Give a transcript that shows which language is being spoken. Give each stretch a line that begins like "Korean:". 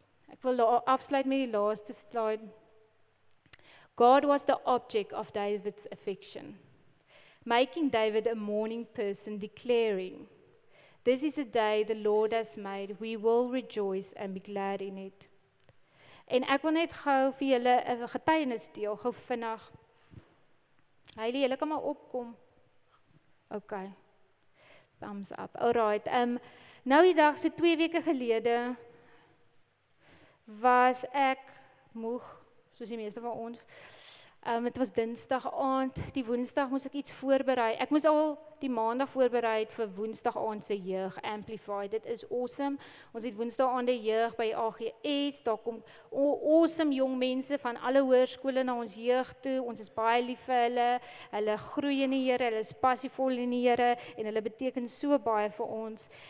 Afrikaans: Ek wil afsluit met die laaste slide.
English: God was the object of David's affection, making David a mourning person, declaring, this is a day the Lord has made, we will rejoice and be glad in it.
Afrikaans: En ek wil net gauw vir julle getuienis deel, gauw vinnig. Heilie, julle kan maar opkom.
English: Ok, thumbs up.
Afrikaans: Alright, nou die dag, so 2 weke gelede, was ek moeg, soos die meeste van ons. Het was dinsdag aand, die woensdag moes ek iets voorbereid. Ek moes al die maandag voorbereid vir woensdag aand se jeug, Amplify. Dit is awesome. Ons het woensdag aand die jeug by AGS, daar kom awesome jong mense van alle hoërskole na ons jeug toe. Ons is baie lief vir hulle, hulle groei in die Here, hulle is passievol in die Here en hulle beteken so baie vir ons.